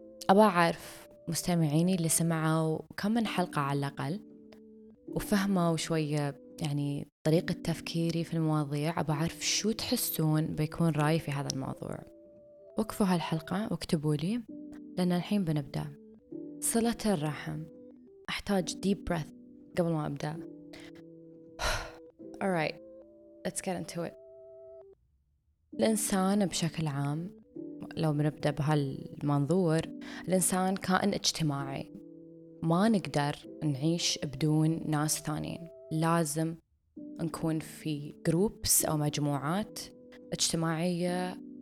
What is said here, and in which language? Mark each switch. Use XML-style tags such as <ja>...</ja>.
<ar>أبا عارف مستمعيني اللي سمعوا كم من حلقة على الأقل وفهموا شوية يعني طريقة تفكيري في المواضيع، أبى أعرف شو تحسون بيكون رأيي في هذا الموضوع. وقفوا هالحلقة واكتبوا لي، لأن الحين بنبدأ. صلة الرحم، أحتاج</ar> <en>deep breath</en> <ar>قبل ما أبدأ.</ar> <en>alright let's get into it.</en> <ar>الإنسان بشكل عام لو بنبدأ بهالمنظور، الإنسان كائن اجتماعي، ما نقدر نعيش بدون ناس ثانيين، لازم نكون في groups أو مجموعات اجتماعية.</ar>